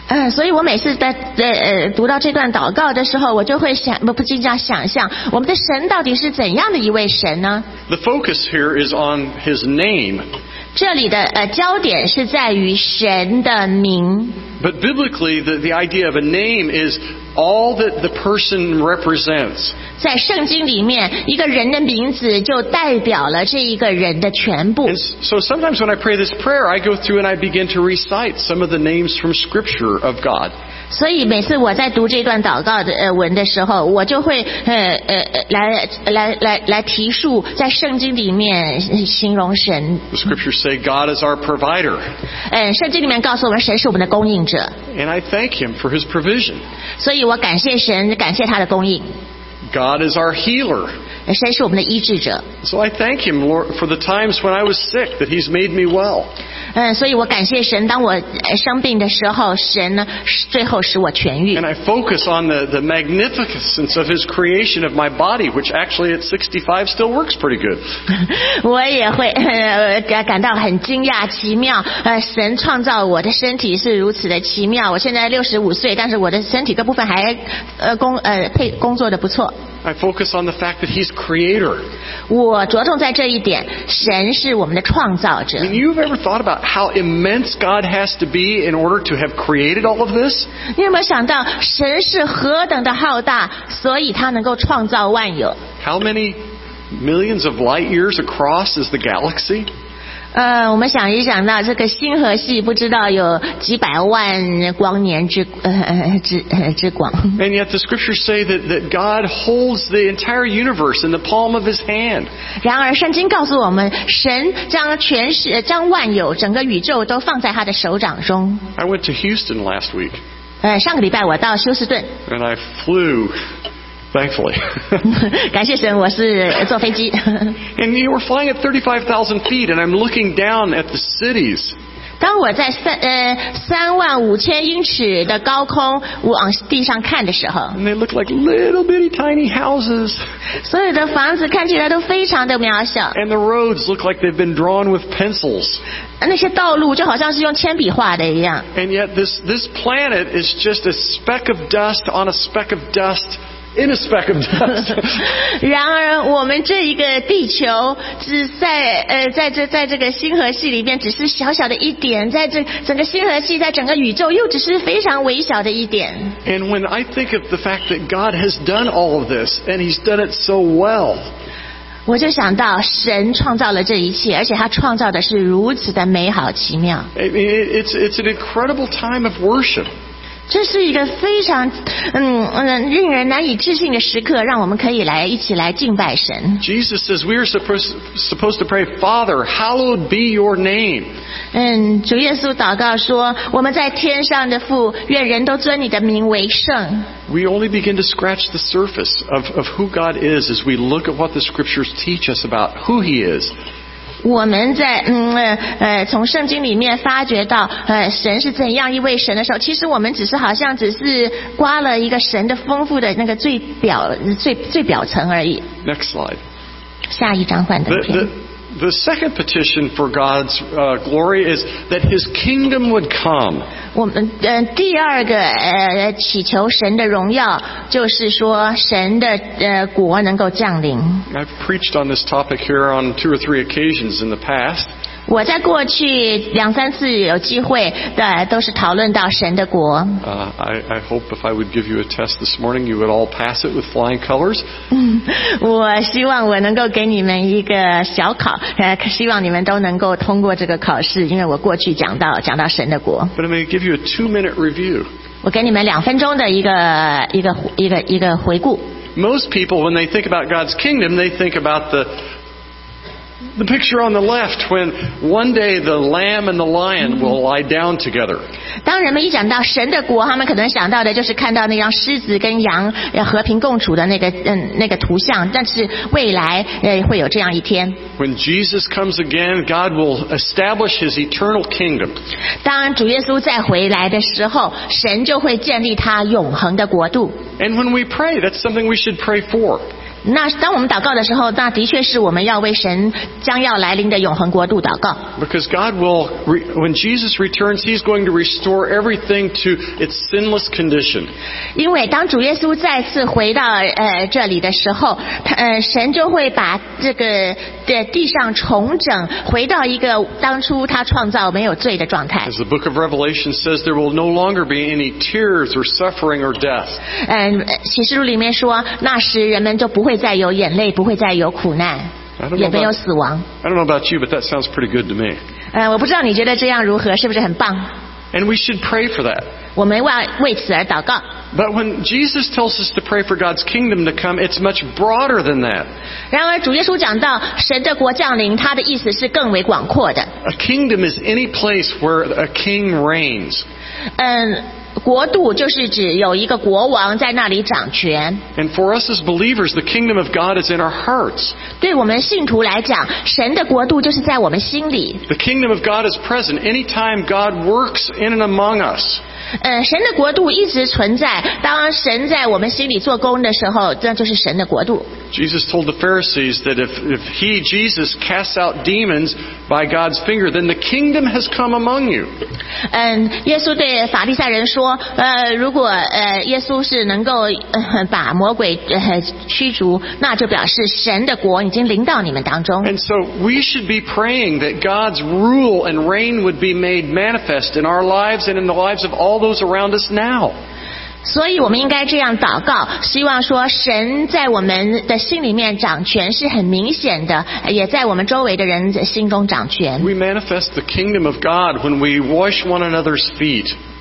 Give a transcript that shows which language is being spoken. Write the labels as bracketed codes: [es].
[zh] 所以我每次在读到这段祷告的时候，我就会想不禁这样想象，我们的神到底是怎样的一位神呢 [en] ？The focus here is on His name. [zh] 这里的焦点是在于神的名。 [en] But biblically, the idea of a name is all that the person represents. [zh] 在圣经里面，一个人的名字就代表了这一个人的全部。 [en] And so sometimes when I pray this prayer, I go through and I begin to recite some of the names from Scripture of God. [zh] 所以每次我在读这段祷告的文的时候，我就会来提述在圣经里面形容神。 [en] The Scriptures say God is our provider. [zh] 圣经里面告诉我们神是我们的供应者。 [en] And I thank Him for His provision. [zh] 所以我感谢神，感谢他的供应。 [en] God is our healer. [zh] 神是我们的医治者。 [en] So I thank Him, Lord, for the times when I was sick, that He's made me well. [zh] 所以我感谢神，当我生病的时候，神呢最后使我痊愈。 [en] And I focus on the magnificence of His creation of my body, which actually at 65 still works pretty good. [zh] 我也会感到很惊讶，奇妙。神创造我的身体是如此的奇妙。我现在65岁，但是我的身体各部分还工作的不错。 [en] I focus on the fact that He's creator. [zh] 我着重在这一点，神是我们的创造者。 [en] I mean, you've ever thought about how immense God has to be in order to have created all of this? [zh] 你有没有想到神是何等的浩大，所以他能够创造万有？ [en] How many millions of light years across is the galaxy? [zh] 我们想一想到这个星河系不知道有几百万光年之广。 [en] And yet the scriptures say that God holds the entire universe in the palm of His hand. [zh] 然而圣经告诉我们，神将万有整个宇宙都放在他的手掌中。 [en] I went to Houston last week. [zh] 上个礼拜我到休斯顿。 [en] And I flew. Thankfully. [zh] 感谢神，我是坐飞机。 [en] And you were flying at 35,000 feet, and I'm looking down at the cities. [zh] 当我在35,000英尺的高空往地上看的时候 [en] ，And they look like little bitty tiny houses. [zh] 所有的房子看起来都非常的渺小。 [en] And the roads look like they've been drawn with pencils. [zh] 那些道路就好像是用铅笔画的一样。 [en] And yet this planet is just a speck of dust on a speck of dust. In a speck of dust. [zh] 然而我们这一个地球只在这个星河系里面只是小小的一点在这整个星河系在整个宇宙又只是非常微小的一点。 [en] And when I think of the fact that God has done all of this, and He's done it so well, [zh] 我就想到神创造了这一切而且他创造的是如此的美好奇妙。 [en] It's an incredible time of worship. [zh] 这是一个非常令人难以置信的时刻让我们可以来一起来敬拜神 [en] Jesus says we are supposed to pray Father hallowed be your name [zh] 主耶稣祷告说我们在天上的父愿人都尊你的名为圣 [en] We only begin to scratch the surface of who God is as we look at what the scriptures teach us about who he is [zh] 我们在从圣经里面发觉到神是怎样一位神的时候，其实我们只是好像只是刮了一个神的丰富的那个最表层而已。 [en] Next slide. [zh] 下一张幻灯片。 [en] The second petition for God's glory is that His kingdom would come. [zh] 我们第二个祈求神的荣耀，就是说神的国能够降临。 [en] I've preached on this topic here on two or three occasions in the past. [zh] 我在过去两三次有机会的都是讨论到神的国。 [en] I hope if I would give you a test this morning, you would all pass it with flying colors. [zh] 我希望我能够给你们一个小考，希望你们都能够通过这个考试，因为我过去讲到神的国。 [en] But I'm going to give you a 2-minute review. [zh] 我给你们两分钟的一个回顾。 [en] Most people, when they think about God's kingdom, they think about the picture on the left when one day the lamb and the lion will lie down together. [zh] 当人们一讲到神的国，他们可能想到的就是看到那张狮子跟羊要和平共处的那个图像，但是未来会有这样一天。 [en] When Jesus comes again, God will establish his eternal kingdom. [zh] 当主耶稣再回来的时候，神就会建立他永恒的国度。 [en] And when we pray, that's something we should pray for. [zh] 那当我们祷告的时候，那的确是我们要为神将要来临的永恒国度祷告。 [en] Because God will, when Jesus returns, He's going to restore everything to its sinless condition. [zh] 因为当主耶稣再次回到这里的时候，神就会把这个的地上重整，回到一个当初他创造没有罪的状态。 [en] As the Book of Revelation says, there will no longer be any tears or suffering or death. [zh] 启示录里面说，那时人们就不会再有眼泪，不会再有苦难，也没有死亡。 [en] I don't know about you, but that sounds pretty good to me. [zh] 我不知道你觉得这样如何，是不是很棒？ [en] And we should pray for that. [zh] 我们要为此而祷告。 [en] But when Jesus tells us to pray for God's kingdom to come, it's much broader than that. [zh] 然而主耶稣讲到神的国降临，他的意思是更为广阔的。 [en] A kingdom is any place where a king reigns. [zh] 国度就是指有一个国王在那里掌权。 [en] And for us as believers, the kingdom of God is in our hearts. [zh] 对我们信徒来讲，神的国度就是在我们心里。 [en] The kingdom of God is present anytime God works in and among us. [zh] 神的国度一直存在，当神在我们心里做工的时候，那就是神的国度。 [en] Jesus told the Pharisees that if he, Jesus, casts out demons by God's finger, then the kingdom has come among you. [zh] 耶稣对法利赛人说，如果耶稣是能够把魔鬼驱逐，那就表示神的国已经临到你们当中。 [en] And so we should be praying that God's rule and reign would be made manifest in our lives and in the lives of all those around us now. [zh] 所以我们应该这样祷告，希望说神在我们的心里面掌权是很明显的，也在我们周围的人的心中掌权。 [en] We manifest the kingdom of God when we wash one another's feet.